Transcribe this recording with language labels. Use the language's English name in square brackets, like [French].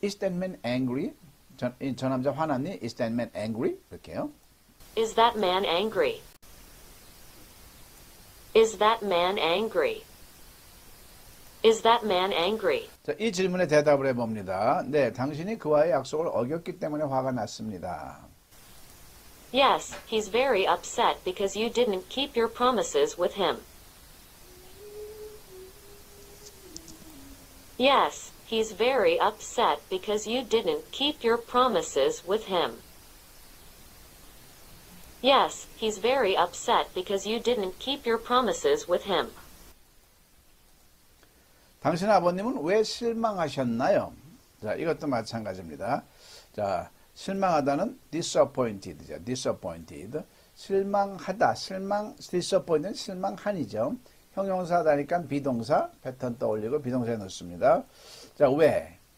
[English] Is that man angry? [Korean] 저 남자 화났니? [English] Is that man angry? [Korean] 이렇게요. [English] Is that man angry? Is that man angry? Is that man angry? [Korean] 자, 이 질문에 대답을 해봅니다. 네, 당신이 그와의 약속을 어겼기 때문에 화가 났습니다. [English] Yes, he's very upset because you didn't keep your promises with him. Yes, he's very upset because you didn't keep your promises with him. Yes, he's very upset because you didn't keep your promises with him. [Korean] 당신 아버님은 왜 실망하셨나요? 자, 이것도 마찬가지입니다. 자, 실망하다는 disappointed죠. disappointed. 실망하다, 실망, disappointed는 실망한이죠. 형용사다니까 비동사 패턴 떠올리고 비동사에 넣습니다. 자, 왜?